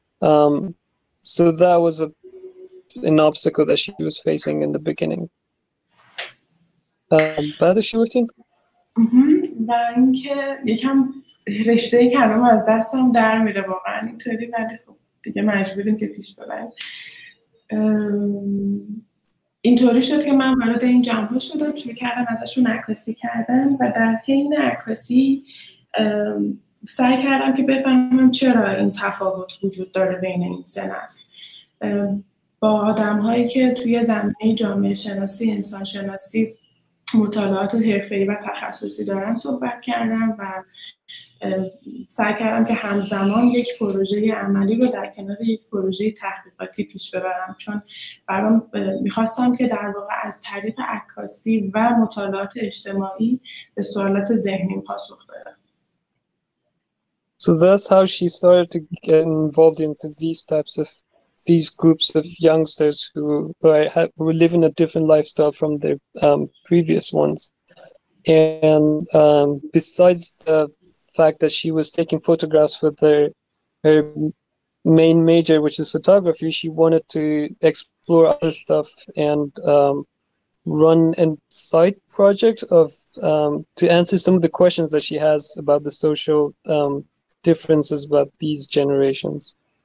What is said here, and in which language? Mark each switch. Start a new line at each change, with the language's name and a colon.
English: So that was an obstacle that she was facing in the beginning.
Persian: بعد از شورتین؟ و اینکه یکم رشته کلام از دستم در میره واقعا اینطوری، ولی خب دیگه مجبوریم که پیش ببریم. اینطوری شد که من وارد این جمع‌ها شدم، شروع کردم ازشون عکاسی کردن و در حین عکاسی سعی کردم که بفهمم چرا این تفاوت وجود داره بین این سه نسل. با آدم هایی که توی زمینه جامعه شناسی، انسان شناسی، مطالعات حرفه‌ای و تخصصی دارن صحبت کردم و سعی کردم که همزمان یک پروژه عملی رو در کنار یک پروژه تحقیقاتی پیش ببرم، چون برام میخواستم که در واقع از طریق عکاسی و مطالعات اجتماعی به سوالات ذهنی پاسخ بدم.
English: So that's how she started to get involved into these groups of youngsters who were living a different lifestyle from their previous ones. And besides the fact that she was taking photographs with her main major, which is photography, she wanted to explore other stuff and run a side project of to answer some of the questions that she has about the social differences about these generations.